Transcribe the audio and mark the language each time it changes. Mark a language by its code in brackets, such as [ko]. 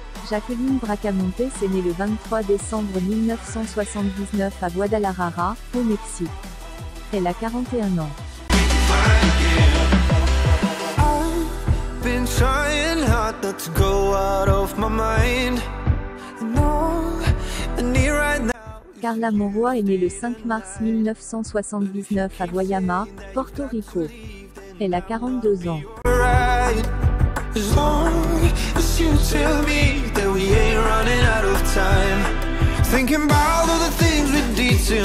[fr] Jacqueline Bracamontes est née le 23 décembre 1979 à Guadalajara, au Mexique. Elle a 41 ans. [en] I've been trying hard not to go out of my mind. No, I need right now. [fr] Carla Monroy est née le 5 mars 1979 à Guayama, Porto Rico. Elle a 42 ans. [en] As long as you tell me that we ain't running out of time. Thinking about all the things we did